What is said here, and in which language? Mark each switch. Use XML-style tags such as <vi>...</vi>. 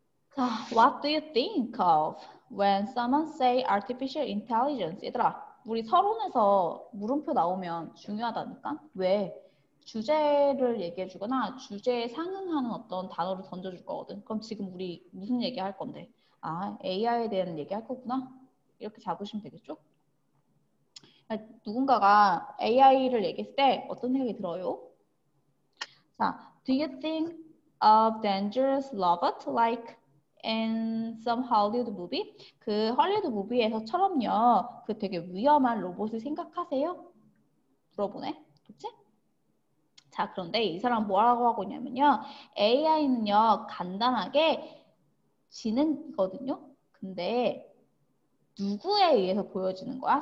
<en>자, what do you think of when someone say artificial intelligence?</en> <ko>얘들아, 우리 서론에서 물음표 나오면 중요하다니까? 왜? 주제를 얘기해주거나 주제에 상응하는 어떤 단어를 던져줄 거거든. 그럼 지금 우리 무슨 얘기할 건데? 아, AI에 대한 얘기할 거구나? 이렇게 잡으시면 되겠죠? 누군가가 AI를 얘기했을 때 어떤 생각이 들어요?</ko> <en>자, do you think of dangerous robot like in some Hollywood movie?</en> <ko>그 헐리우드 무비에서처럼요. 그 되게 위험한 로봇을 생각하세요? 물어보네. 그치? 자, 자, 그런데 이 사람 뭐라고 하고 있냐면요. AI는요, 간단하게 지능이거든요. 근데 누구에 의해서 보여지는 거야?</ko>